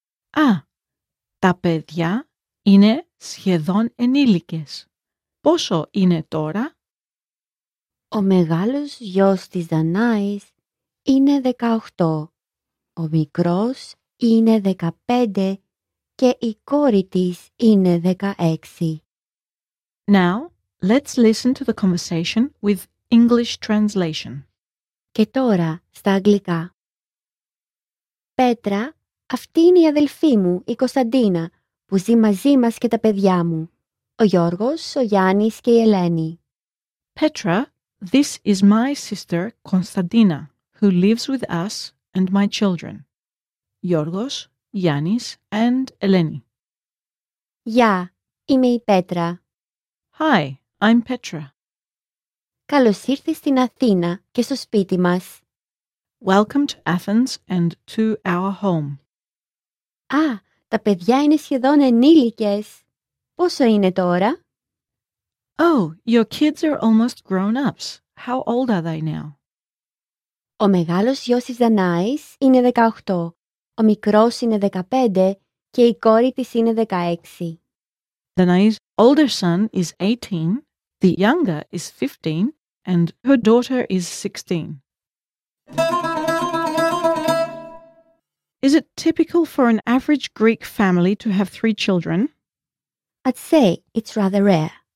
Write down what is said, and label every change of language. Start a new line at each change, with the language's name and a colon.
Greek: Α, τα παιδιά είναι σχεδόν ενήλικες. Πόσο είναι τώρα? Ο μεγάλος γιος της Δανάης είναι 18. Ο μικρός είναι 15 και η κόρη της είναι 16.
English: Now, let's listen to the conversation with English translation.
Greek: Και τώρα, στα αγγλικά. Πέτρα, αυτή είναι η αδελφή μου, η Κωνσταντίνα, που ζει μαζί μας και τα παιδιά μου. Ο Γιώργος, ο Γιάννης και η Ελένη.
English: Petra, this is my sister, Konstantina, who lives with us and my children. Γιώργος, Γιάννης and Ελένη.
Greek: Γεια, είμαι η Πέτρα.
English: Hi, I'm Petra.
Greek: Καλώς ήρθες στην Αθήνα και στο σπίτι μας.
English: Welcome to Athens and to our home.
Greek: Α, τα παιδιά είναι σχεδόν ενήλικες. Πόσο είναι τώρα?
English: Oh, your kids are almost grown-ups. How old are they now?
Greek: Ο μεγάλος γιος της Δανάης είναι 18, ο μικρός είναι 15 και η κόρη της είναι 16.
English: Danai's older son is 18, the younger is 15 and her daughter is 16. Is it typical for an average Greek family to have three children? I'd say it's rather rare.